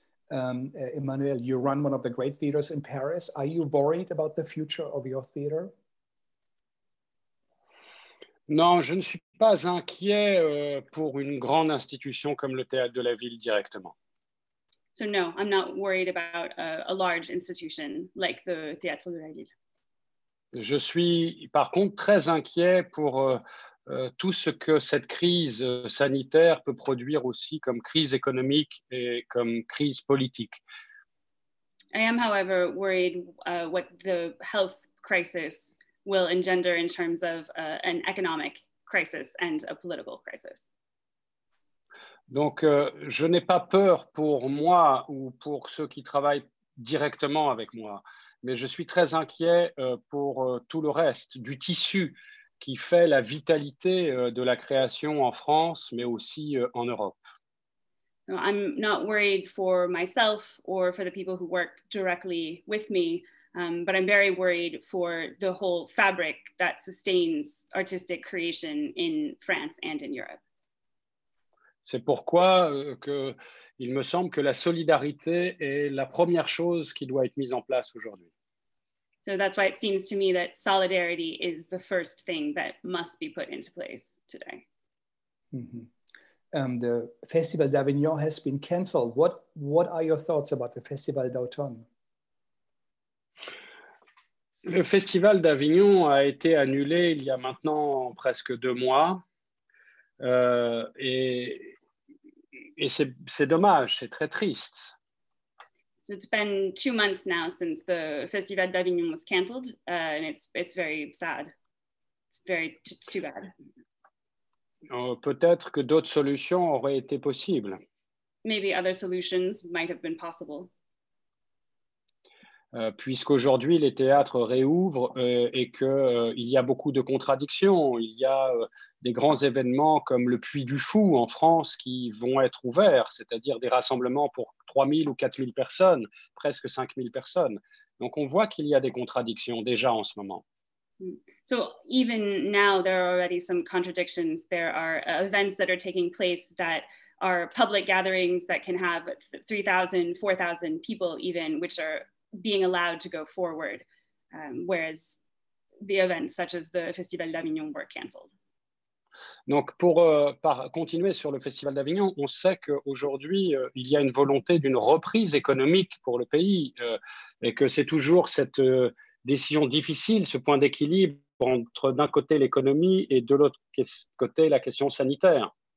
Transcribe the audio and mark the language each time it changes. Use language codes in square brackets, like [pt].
[en] Emmanuel, you run one of the great theaters in Paris. Are you worried about the future of your theater? [fr] Non, je ne suis pas inquiet pour une grande institution comme le Théâtre de la Ville directement. [en] So no, I'm not worried about a large institution like the Théâtre de la Ville. [fr] Je suis par contre très inquiet pour tout ce que cette crise sanitaire peut produire aussi comme crise économique et comme crise politique. [en] I am, however, worried what the health crisis will engender in terms of an economic crisis and a political crisis. [fr] Donc, je n'ai pas peur pour moi ou pour ceux qui travaillent directement avec moi, mais je suis très inquiet pour tout le reste du tissu qui fait la vitalité de la création en France, mais aussi en Europe. [en] No, I'm not worried for myself or for the people who work directly with me, but I'm very worried for the whole fabric that sustains artistic creation in France and in Europe. [fr] C'est pourquoi il me semble que la solidarité est la première chose qui doit être mise en place aujourd'hui. [en] So that's why it seems to me that solidarity is the first thing that must be put into place today. Mm-hmm. The Festival d'Avignon has been cancelled. What are your thoughts about the Festival d'Automne? [fr] Le Festival d'Avignon a été annulé il y a maintenant presque deux mois. Et c'est dommage, c'est très triste. [en] So it's been 2 months now since the Festival d'Avignon was cancelled, and it's very sad. It's very too bad. [fr] Peut-être que d'autres solutions auraient été possibles. [en] Maybe other solutions might have been possible. [fr] Puisqu'aujourd'hui les théâtres réouvrent et que il y a beaucoup de contradictions, il y a des grands événements comme le Puy du Fou en France qui vont être ouverts, c'est-à-dire des rassemblements pour 3000 ou 4000 personnes, presque 5000 personnes. Donc on voit qu'il y a des contradictions déjà en ce moment. [en] So even now there are already some contradictions. There are events that are taking place that are public gatherings that can have 3000, 4000 people even, which are being allowed to go forward, whereas the events such as the Festival d'Avignon were canceled. [fr] Donc pour continuer sur le Festival d'Avignon, on sait qu'aujourd'hui, il y a une volonté d'une reprise économique pour le pays et que c'est toujours cette décision difficile, ce point d'équilibre entre d'un côté l'économie et de l'autre côté la question sanitaire.